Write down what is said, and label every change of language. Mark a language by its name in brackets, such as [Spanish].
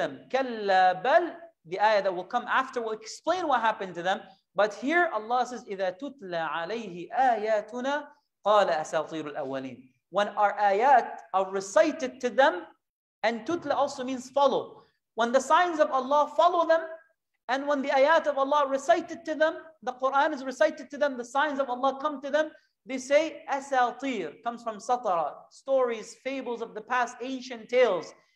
[English] Kalla bal, the ayah that will come after will explain what happened to them. But here Allah says, [Arabic] إِذَا تُتْلَى عَلَيْهِ آيَاتُنَا قَالَ أَسَاطِيرُ الْأَوَّلِينَ. [English] When our ayat are recited to them, and tutla also means follow. When the signs of Allah follow them, and when the ayat of Allah recited to them, the Quran is recited to them, the signs of Allah come to them, they say, أَسَاطِيرُ, comes from satara, stories, fables of the past, ancient tales.